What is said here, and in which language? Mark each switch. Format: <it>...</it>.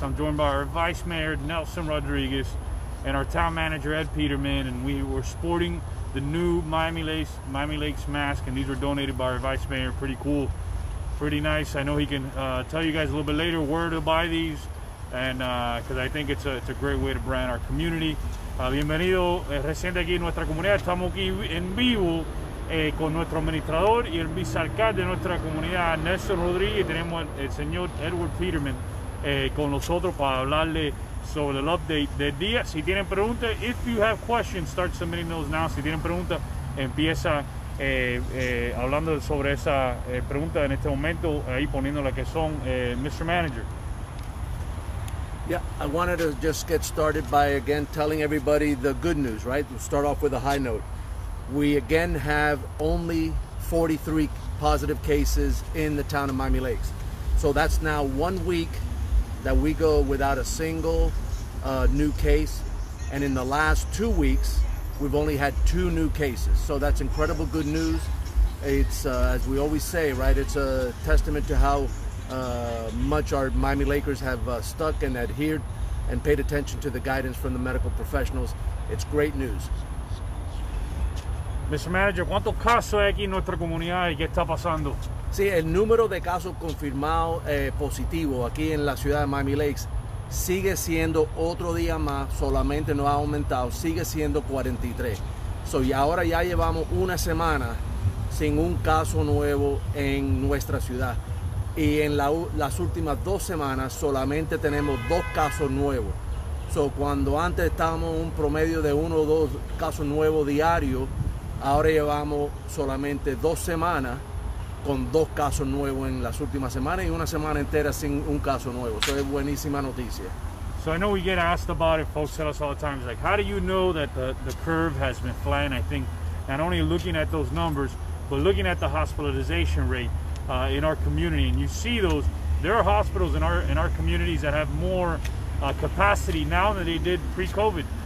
<en>I'm joined by our Vice Mayor, Nelson Rodriguez, and our Town Manager, Ed Pidermann, and we were sporting the new Miami Lakes mask, and these were donated by our Vice Mayor. Pretty cool, pretty nice. I know he can tell you guys a little bit later where to buy these, and because I think it's a great way to brand our community.</en> <es>Bienvenido, reciente aquí en nuestra comunidad. Estamos aquí en vivo. Con nuestro administrador y el vicealcalde de nuestra comunidad, Nelson Rodriguez, tenemos el señor Edward Pidermann con nosotros para hablarle sobre el update del día. Si tienen preguntas,</es> <en>if you have questions, start submitting those now.</en> <es>Si tienen preguntas, empieza hablando sobre esa pregunta en este momento, ahí poniendo la que son, Mr.</es> <en>Manager. Yeah, I wanted to just get started by again telling everybody the good news, right? We'll start off with a high note. We again have only 43 positive cases in the town of Miami Lakes. So that's now 1 week that we go without a single new case. And in the last 2 weeks, we've only had two new cases. So that's incredible good news. It's, as we always say, right, it's a testament to how much our Miami Lakers have stuck and adhered and paid attention to the guidance from the medical professionals. It's great news. Mr.</en> <es>Manager, ¿cuántos casos hay aquí en nuestra comunidad y qué está pasando? Sí, el número de casos confirmados positivo aquí en la ciudad de Miami Lakes sigue siendo otro día más, solamente no ha aumentado, sigue siendo 43. So, y ahora ya llevamos una semana sin un caso nuevo en nuestra ciudad. Y en las últimas dos semanas solamente tenemos dos casos nuevos. So, cuando antes estábamos un promedio de uno o dos casos nuevos diarios, ahora llevamos solamente dos semanas con dos casos nuevos en las últimas semanas y una semana entera sin un caso nuevo. Eso es buenísima noticia.</es> <en>So I know we get asked about it. Folks tell us all the time, it's like, how do you know that the curve has been flat? I think not only looking at those numbers, but looking at the hospitalization rate in our community. And you see those, there are hospitals in our communities that have more capacity now than they did pre-COVID.</en>